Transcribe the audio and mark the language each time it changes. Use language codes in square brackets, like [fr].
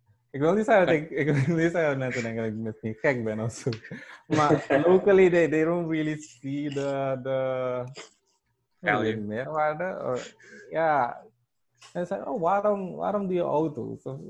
[nl] Ik wil niet zeggen dat mensen denken dat ik misschien gek ben of zo. [en] Maar locally they don't really see the meerwaarde? [nl] Ja. En ze zeggen, waarom die auto's?